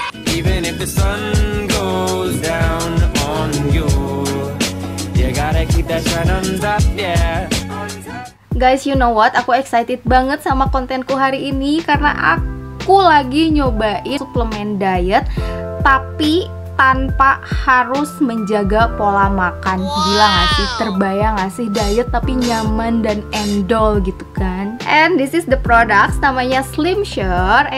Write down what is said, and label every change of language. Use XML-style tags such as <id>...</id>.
<en>Even if the sun goes down on you, you gotta keep that shine on top, yeah. Guys, you know what?</en> <id>Aku excited banget sama kontenku hari ini karena aku lagi nyobain suplemen diet tapi tanpa harus menjaga pola makan. Gila gak sih? Terbayang gak sih diet tapi nyaman dan endol gitu kan?</id> <en>And this is the product,</en> <id>namanya</id> <en>Slim Shure.</en>